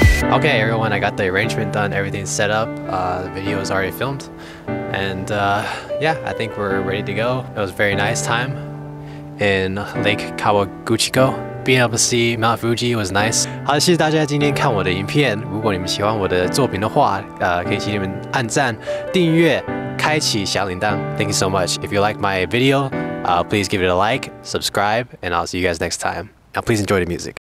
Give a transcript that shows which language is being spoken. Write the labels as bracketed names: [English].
[English] Okay everyone, I got the arrangement done, everything's set up, the video is already filmed, and yeah, I think we're ready to go. It was a very nice time in Lake Kawaguchiko. Being able to see Mount Fuji was nice. [Chinese] 好的，谢谢大家今天看我的影片，如果你们喜欢我的作品的话，可以请你们按赞、订阅、开启小铃铛。 [English] Thank you so much. If you like my video, please give it a like, subscribe, and I'll see you guys next time. Now please enjoy the music.